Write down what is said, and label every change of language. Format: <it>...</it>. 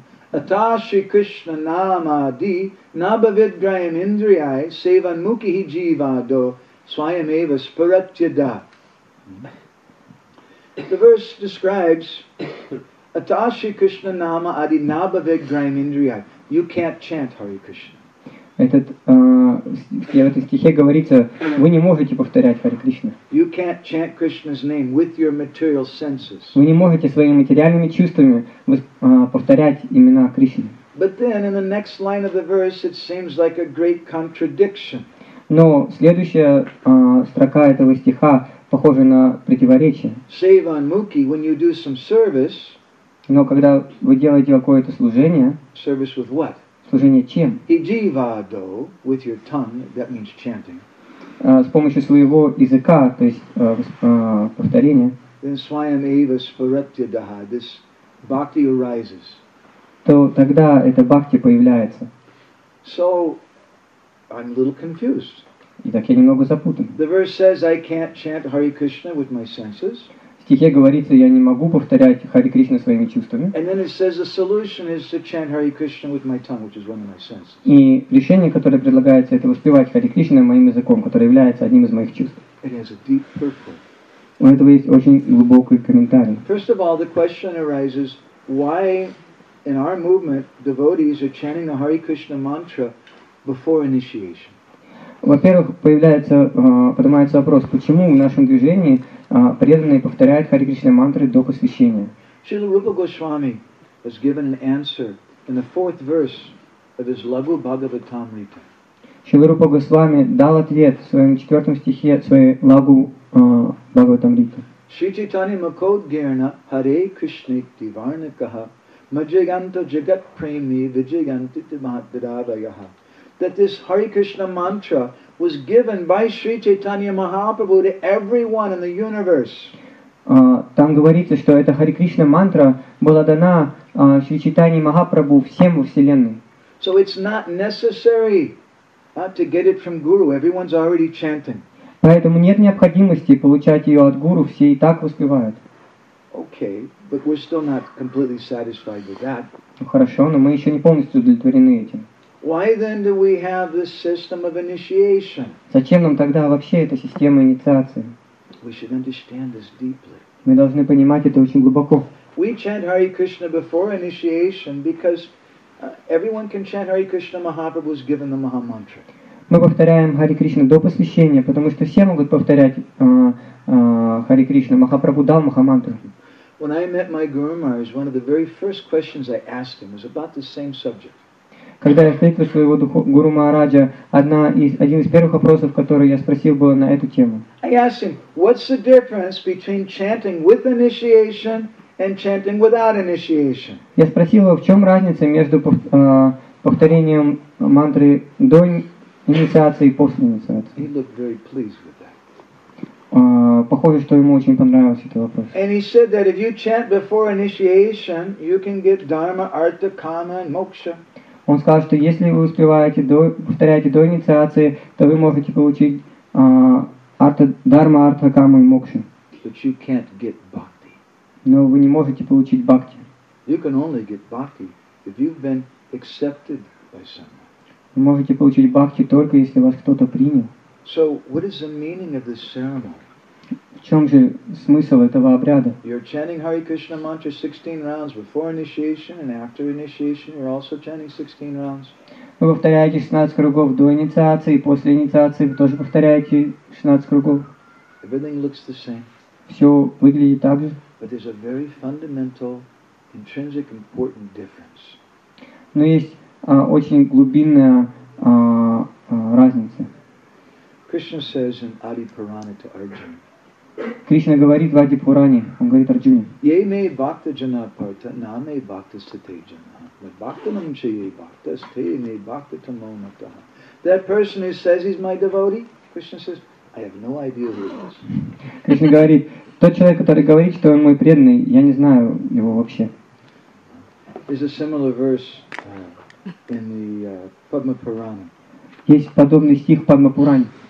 <sa>Ata Shri Krishna Namadi Nabhavidgrayam Indriyai Sevan Mukhi Jivado Swayameva Spuratyada.</sa> <en>The verse describes</en> <sa>Ata Shri Krishna Namadi Nabhavidgrayam Indriyai.</sa> <en>You can't chant Hare Krishna.</en> <ru>В этом стихе говорится, вы не можете повторять Харе Кришна.</ru> <en>You can't chant Krishna's name with your material senses.</en> <ru>Вы не можете своими материальными чувствами повторять имена Кришны.</ru> <en>But then in the next line of the verse it seems like a great contradiction.</en> <ru>Но следующая строка этого стиха похожа на противоречие.</ru> <en>Sevan Mukhi, when you do some service.</en> <ru>Но когда вы делаете какое-то служение.</ru> <en>Service with what?</en> <ru>Служение чем?</ru> <en>Hijivado, with your tongue, that means chanting.</en> <ru>С помощью своего языка, то есть повторения.</ru> <en>Then</en> <sa>swayameva spuratyadaha,</sa> <en>this bhakti arises.</en> <ru>То тогда эта бхакти появляется.</ru> <en>So, I'm a little confused.</en> <ru>Итак, я немного запутан.</ru> <en>The verse says I can't chant Hare Krishna with my senses.</en> <ru>В стихе говорится, я не могу повторять Харе Кришна своими чувствами.</ru> <en>And then it says the solution is to chant Hare Krishna with my tongue, which is one of my senses.</en> <ru>И решение, которое предлагается, это воспевать Харе Кришна моим языком, который является одним из моих чувств.</ru> <en>It has a deep purpose.</en> <ru>У этого есть очень глубокий комментарий.</ru> <en>First of all, the question arises, why in our movement devotees are chanting the Hare Krishna mantra before initiation?</en> <ru>Во-первых, поднимается вопрос, почему в нашем движении преданные повторяют Харе Кришна мантры до посвящения. Шрила Рупа Госвами has given an answer in the fourth verse of his Лагу Бхагаватамрита. Шрила Рупа Госвами дал ответ в своем четвертом стихе, своей лагу Бхагаватамрита.</ru> <sa>Шри Чайтани Макод Герна Харе Кришне Диварна Каха Маджиганта Джагат Прейми Виджиганти Тимахадрадаяха.</sa> <en>That this Hare Krishna mantra was given by Sri Chaitanya Mahaprabhu to everyone in the universe.</en> <ru>Там говорится, что эта Hare Krishna mantra была дана Sri Chaitanya Mahaprabhu всем во Вселенной.</ru> <en>So it's not necessary to get it from Guru. Everyone's already chanting.</en> <ru>Поэтому нет необходимости получать ее от Гуру, все и так воспевают.</ru> <en>Okay, but we're still not completely satisfied with that.</en> <ru>Хорошо, но мы еще не полностью удовлетворены этим.</ru> <en>Why then do we have this system of initiation?</en> <ru>Зачем нам тогда вообще эта система инициации?</ru> <en>We should understand this deeply.</en> <ru>Мы должны понимать это очень глубоко.</ru> <en>We chant Hare Krishna before initiation because everyone can chant Hare Krishna. Mahaprabhu was given the Maha Mantra.</en> <ru>Мы повторяем Hare Krishna до посвящения, потому что все могут повторять Hare Krishna. Махапрабху дал Маха Мантру.</ru> <en>When I met my Guru Maharaj, one of the very first questions I asked him was about the same subject.</en> <ru>Когда я встретил своего Гуру Махараджа, один из первых вопросов, который я спросил, был на эту тему.</ru> <en>I asked him, what's the difference between chanting with initiation and chanting without initiation?</en> <ru>Я спросил его, в чем разница между повторением мантры до инициации и после инициации.</ru> <en>He looked very pleased with that.</en> <ru>Похоже, что ему очень понравился этот вопрос.</ru> <en>And he said that if you chant before initiation, you can get dharma, artha, kama, and moksha.</en> <ru>Он сказал, что если вы успеваете, повторяете до инициации, то вы можете получить дхарма, артха, кама и мокша.</ru> <en>But you can't get bhakti.</en> <ru>Но вы не можете получить бхакти.</ru> <en>You can only get bhakti if you've been accepted by someone.</en> <ru>Вы можете получить бхакти только если вас кто-то принял.</ru> <en>So what is the meaning of this ceremony?</en> <ru>В чем же смысл этого обряда?</ru> <en>You're chanting Hare Krishna mantra 16 rounds before initiation and after initiation you're also chanting 16 rounds.</en> <ru>Вы повторяете 16 кругов до инициации и после инициации вы тоже повторяете 16 кругов.</ru> <en>Everything looks the same.</en> <ru>Все выглядит так же.</ru> <en>But there's a very fundamental, intrinsic, important difference.</en> <ru>Но есть очень глубинная разница.</ru> <en>Krishna says in Adi Purana to Arjuna.</en> <ru>Кришна говорит в Ади Пуране, он говорит Арджуне.</ru> <sa>Ей мей бхакта джана парта, на мей бхакта сите джана. Мат бхактанам че ей бхакта сите, мей бхакта тамо матаха.</sa> <en>That person who says he's my devotee, Krishna says, I have no idea who he is.</en> <ru>Кришна говорит, тот человек, который говорит, что он мой преданный, я не знаю его вообще.</ru> <en>There's a similar verse in the Padma Purana.</en> <ru>Есть подобный стих в Падма Пуране.</ru>